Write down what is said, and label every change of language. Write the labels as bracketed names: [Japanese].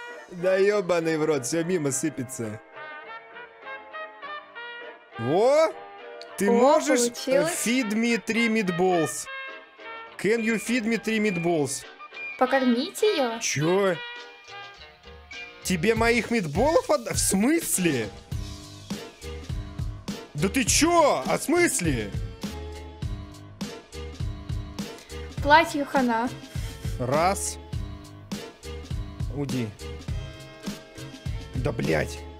[Russian] Да ёбаный в рот, все мимо сыпется. Во! Ты можешь [English] feed me three meatballs? Can you feed me three meatballs? [Russian] Покормить ее? Чё? Тебе моих митболов отдать? В смысле? Да ты чё? А в смысле? Платью хана. Раз. Уйди. Да блядь.